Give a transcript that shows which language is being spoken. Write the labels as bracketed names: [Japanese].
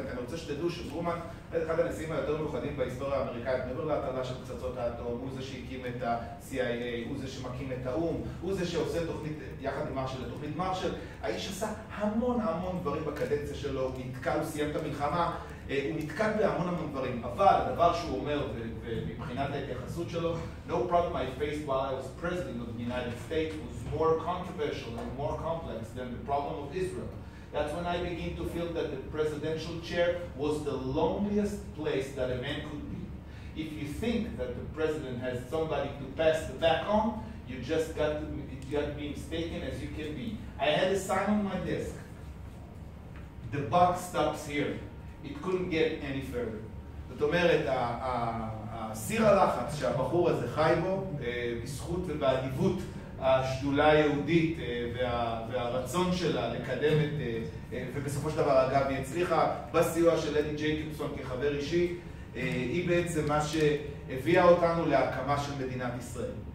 [Hebrew] אני רוצה שתדעו שטרומן, אחד הנשיאים היותר מיוחדים בהיסטוריה האמריקאית, מעבר להטלה של פצצות האטום, הוא זה שהקים את ה-CIA, הוא זה שמקים את האום, הוא זה שעושה תוכנית יחד עם מרשל, תוכנית מרשל. האיש עשה המון המון דברים בקדנציה שלו, נתקע, הוא סיים את המלחמה, הוא נתקד בהמון המון דברים, אבל הדבר שהוא אומר, ומבחינת ההתייחסות שלו, [English] no problem I faced while I was president of the United States was more controversial and more complex than the problem of Israel. That's when I begin to feel that the presidential chair was the loneliest place that a man could be. If you think that the president has somebody to pass the baton, you just got to be mistaken as you can be. I had a sign on my desk. The buck stops here. It couldn't get any further. [Hebrew] זאת אומרת, סיר הלחץ שהבחור הזה חי בו, בזכות ובאדיבות השדולה היהודית והרצון שלה לקדם את, ובסופו של דבר אגב היא הצליחה בסיוע של אדי ג'ייקובסון כחבר אישי, היא בעצם מה שהביאה אותנו להקמה של מדינת ישראל.